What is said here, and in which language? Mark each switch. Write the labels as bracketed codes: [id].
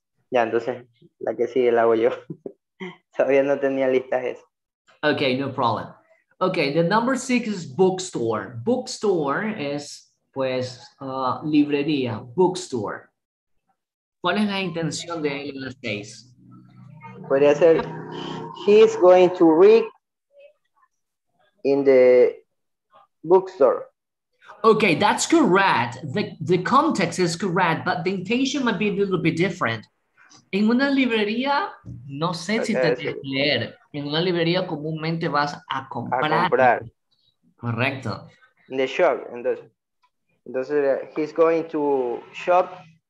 [es] Ya, entonces, la que sigue la hago yo. Todavía no tenía listas eso. [en] Okay, no problem. Okay, the number 6 is bookstore. [es] Bookstore es, pues, librería, bookstore. ¿Cuál es la intención de él en las 6? Podría ser, [en] he's going to read in the bookstore. Okay, that's correct. The context is correct, but the intention might be a little bit different. [es] En una librería, no sé si te debes leer. En una librería comúnmente vas a comprar. A comprar. Correcto. [en] In the shop, entonces he's going to shop.